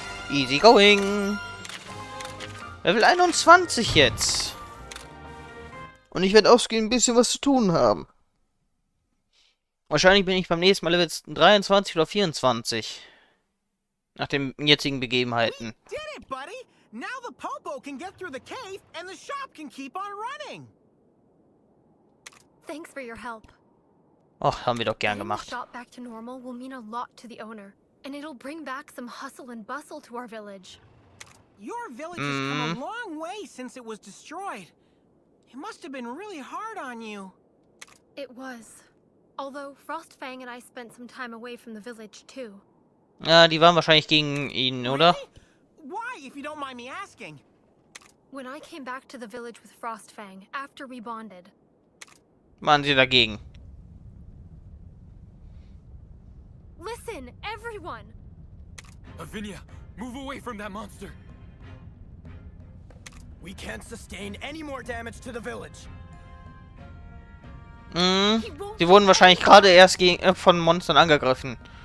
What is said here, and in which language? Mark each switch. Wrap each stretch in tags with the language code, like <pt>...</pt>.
<en>Easy going.</en> <de>Level 21 jetzt. Und ich werde aufgehen, ein bisschen was zu tun haben. Wahrscheinlich bin ich beim nächsten Mal Level 23 oder 24. Nach den jetzigen Begebenheiten.</de> <en>We did it, buddy. Now the Popo can get through the cave and the shop can keep on running. Thanks for your help.</en> <de>Ach, haben wir doch gern gemacht.</de> <en>The shop back to normal will mean a lot to the owner. And it'll bring back some hustle and bustle to our village. Your village has come a long way since it was destroyed. It must have been really hard on you. It was. Although Frostfang and I spent some time away from the village too.</en> <de>Ja, die waren wahrscheinlich gegen ihn, oder?</de> <en>Why, if you don't mind me asking? When I came back to the village with Frostfang after we bonded.</en> <de>Waren sie dagegen?</de> <en>Listen, everyone. Avinia, move away from that monster. We can't sustain any more damage to the village.</en> <de>Sie wurden wahrscheinlich gerade erst von Monstern angegriffen.</de>